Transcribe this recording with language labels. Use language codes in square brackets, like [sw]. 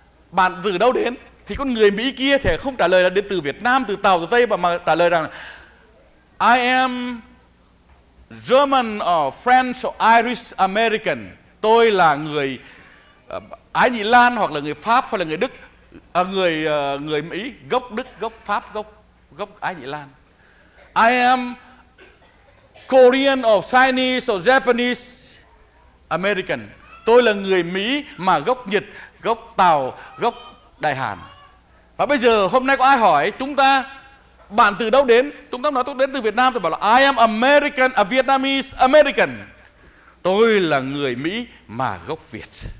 [vi] Bạn từ đâu đến, thì con người Mỹ kia thì không trả lời là đến từ Việt Nam, từ Tàu, từ Tây, mà trả lời rằng [en] "I am German or French or Irish American." [vi] Tôi là người Ái Nhĩ Lan, hoặc là người Pháp, hoặc là người Đức, người người Mỹ gốc Đức, gốc Pháp, gốc Ái Nhĩ Lan. [en] I am Korean or Chinese or Japanese American. [vi] Tôi là người Mỹ mà gốc Nhật, gốc Tàu, gốc Đại Hàn. Và bây giờ hôm nay có ai hỏi chúng ta, bạn từ đâu đến? Chúng ta nói tôi đến từ Việt Nam, tôi bảo là [en] I am American, a Vietnamese American. [vi] Tôi là người Mỹ mà gốc Việt.